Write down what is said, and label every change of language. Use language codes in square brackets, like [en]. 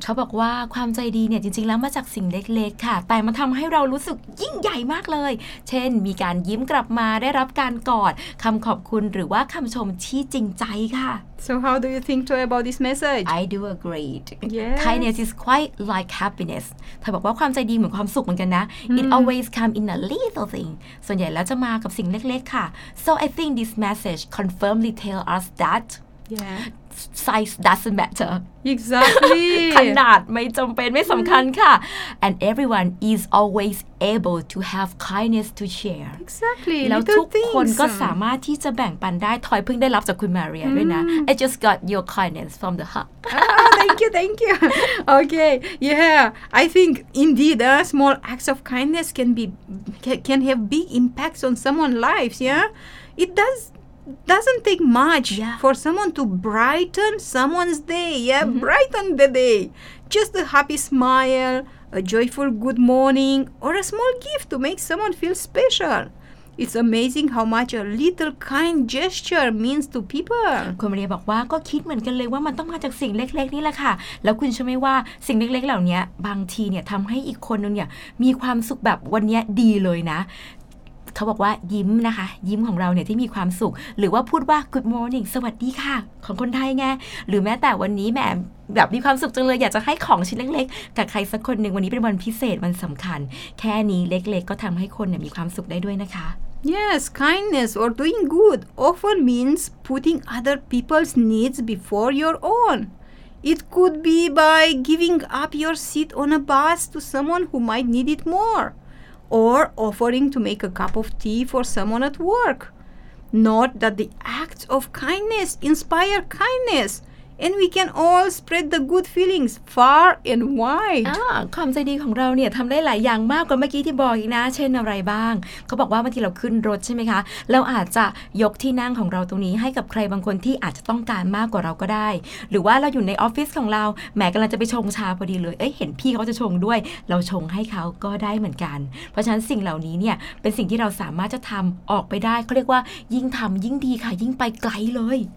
[th] เขาบอกว่าความใจดีเนี่ยจริงๆแล้วมาจากสิ่งเล็กๆค่ะแต่มันทำให้เรารู้สึกยิ่งใหญ่มากเลยเช่นมีการยิ้มกลับมาได้รับการกอดคำขอบคุณหรือว่าคำชมที่จริงใจค่ะ [en] So how do you think to about this message? I do agree. Yes. Kindness is quite like happiness. [th] เธอบอกว่าความใจดีเหมือนความสุขเหมือนกันนะ [en] It always come in a little thing. [th] ส่วนใหญ่แล้วจะมากับสิ่งเล็กๆค่ะ [en] So I think this message confirmly tells us that Yeah. Size doesn't matter. Exactly. [th] ขนาดไม่จำเป็นไม่สำคัญค่ะ [en] And everyone is always able to have kindness to share. Exactly. [th] แล้วทุกคนก็สามารถที่จะแบ่งปันได้ทอยเพิ่งได้รับจากคุณมาเรียด้วยนะ [en] I just got your kindness from the hub. thank you. Okay. Yeah. I think indeed, small acts of kindness can have big impacts on someone's lives. Yeah. It does. Doesn't take much for someone to brighten someone's day. Yeah, brighten the day. Just a happy smile, a joyful good morning, or a small gift to make someone feel special. It's amazing how much a little kind gesture means to people. [th] คุณมาเรียบอกว่าก็คิดเหมือนกันเลยว่ามันต้องมาจากสิ่งเล็กๆนี่แหละค่ะแล้วคุณเชื่อไหมว่าสิ่งเล็กๆเหล่านี้บางทีเนี่ยทำให้อีกคนนึงเนี่ยมีความสุขแบบวันนี้ดีเลยนะเขาบอกว่ายิ้มนะคะยิ้มของเราเนี่ยที่มีความสุขหรือว่าพูดว่า [en] good morning [th] สวัสดีค่ะของคนไทยไงหรือแม้แต่วันนี้แม่แบบมีความสุขจังเลยอยากจะให้ของชิ้นเล็กๆกับใครสักคนหนึ่งวันนี้เป็นวันพิเศษวันสำคัญแค่นี้เล็กๆก็ทำให้คนเนี่ยมีความสุขได้ด้วยนะคะ [en] Yes kindness or doing good often means putting other people's needs before your ownIt could be by giving up your seat on a bus to someone who might need it more. Or offering to make a cup of tea for someone at work. Note that the acts of kindness inspire kindness, and we can all spread the good feelings far and wide. [th] ความใจดีของเราเนี่ยทำได้หลายอย่างมากกว่าเมื่อกี้ที่บอกอีกนะเช่นอะไรบ้างเขาบอกว่าบางทีเราขึ้นรถใช่ไหมคะเราอาจจะยกที่นั่งของเราตรงนี้ให้กับใครบางคนที่อาจจะต้องการมากกว่าเราก็ได้หรือว่าเราอยู่ในออฟฟิศของเราแม้กำลังจะไปชงชาพอดีเลยเอ้ยเห็นพี่เขาจะชงด้วยเราชงให้เขาก็ได้เหมือนกันเพราะฉะนั้นสิ่งเหล่านี้เนี่ยเป็นสิ่งที่เราสามารถจะทำออกไปได้เขาเรียกว่ายิ่งทำยิ่งดีค่ะยิ่งไปไกลเลย